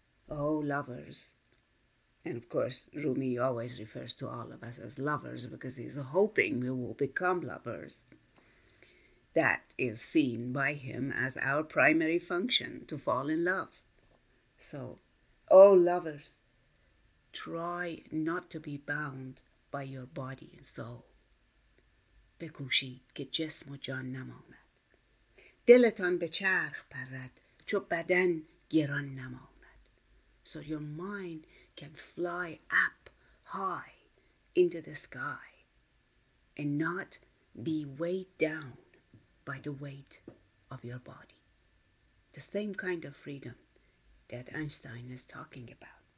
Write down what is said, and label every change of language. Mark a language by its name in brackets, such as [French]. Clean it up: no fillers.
[English] Oh, lovers, and of course Rumi always refers to all of us as lovers because he's hoping we will become lovers. That is seen by him as our primary function, to fall in love. So, oh lovers, try not to be bound by your body and soul. [Persian] بکوشید که جسم و جان نماند. دلتان به چرخ پرد چو بدن گران نماند. [English] So your mind can fly up high into the sky and not be weighed down by the weight of your body. The same kind of freedom that Einstein is talking about.